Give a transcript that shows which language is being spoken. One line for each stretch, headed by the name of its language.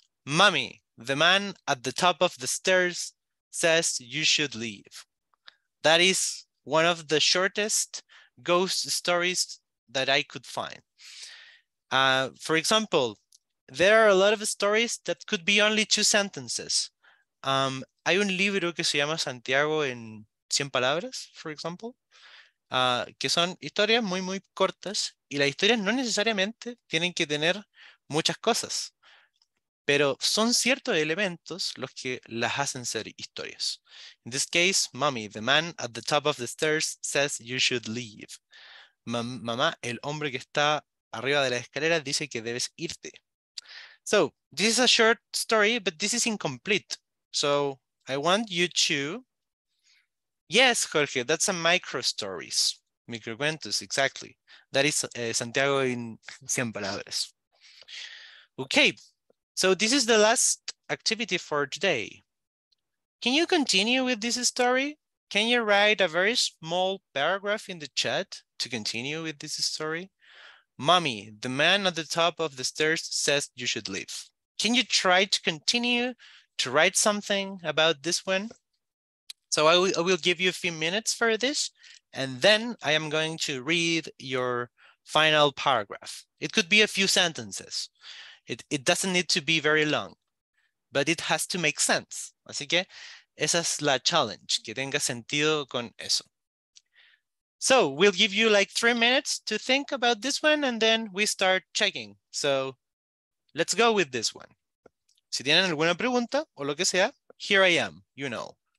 English: Mommy, the man at the top of the stairs says you should leave. That is one of the shortest ghost stories that I could find. For example, there are a lot of stories that could be only two sentences.
Spanish: Hay un libro que se llama Santiago en 100 palabras,
English: for example,
Spanish: que son historias muy, muy cortas, y las historias no necesariamente tienen que tener muchas cosas, pero son ciertos elementos los que las hacen ser historias.
English: In this case, mommy, the man at the top of the stairs says you should leave.
Spanish: Mamá, el hombre que está arriba de la escalera dice que debes irte.
English: So, this is a short story, but this is incomplete. So, I want you to... Yes, Jorge, that's a micro stories. Microcuentos, exactly. That is Santiago in 100 palabras. Okay, so this is the last activity for today. Can you continue with this story? Can you write a very small paragraph in the chat to continue with this story? Mommy, the man at the top of the stairs says you should leave. Can you try to continue to write something about this one? So I will give you a few minutes for this, and then I am going to read your final paragraph. It could be a few sentences. It doesn't need to be very long, but it has to make sense.
Spanish: Así que esa es la challenge, que tenga sentido con eso.
English: So we'll give you like 3 minutes to think about this one and then we start checking. So let's go with this one.
Spanish: Si tienen alguna pregunta o lo que sea,
English: here I am, you know.